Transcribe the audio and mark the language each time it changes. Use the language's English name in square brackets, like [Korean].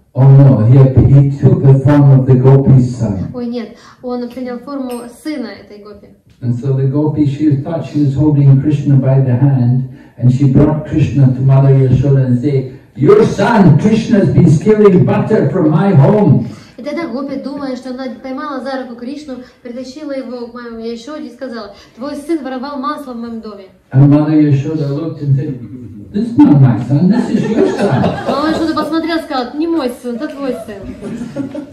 [English] Oh no, he took the form of the gopi's son. [Russian] Ой, нет, он принял форму сына этой гопи. [English] And so the gopi, she thought she was holding Krishna by the hand, and she brought Krishna to Mother Yashoda and said, your son Krishna has been stealing butter from my home. [Russian] И тогда гопи, думая, что она поймала за руку Кришну, притащила его к маме Яшоде и сказала, твой сын воровал масло в моем доме. [English] And Mother Yashoda looked and said, this is not my son, this is your son. [Russian] А он что-то посмотрел и сказал, это не мой сын, это твой сын.